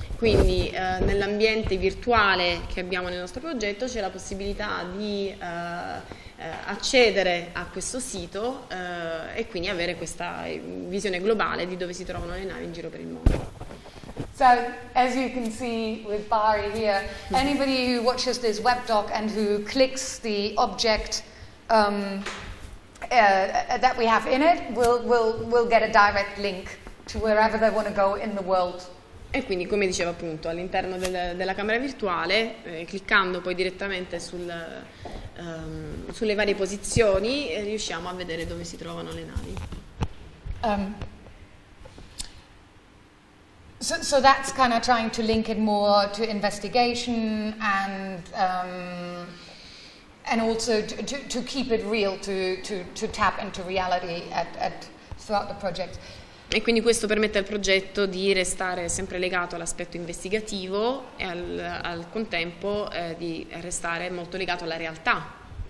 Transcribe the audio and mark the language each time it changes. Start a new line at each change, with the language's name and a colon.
Italian: Quindi nell'ambiente virtuale che abbiamo nel nostro progetto c'è la possibilità di accedere a questo sito e quindi avere questa visione globale di dove si trovano le navi in giro per il mondo.
English: So, as you can see with Bari here, anybody who watches this web doc and who clicks the object that we have in it will get a direct link to wherever they want to go in the world.
Italian: E quindi, come diceva appunto, all'interno della camera virtuale, cliccando poi direttamente sulle varie posizioni, riusciamo a vedere dove si trovano le navi.
English: So that's kind of trying to link it more to investigation and also to keep it real, to tap into reality at throughout the project.
Italian: E quindi questo permette al progetto di restare sempre legato all'aspetto investigativo e al contempo di restare molto legato alla realtà.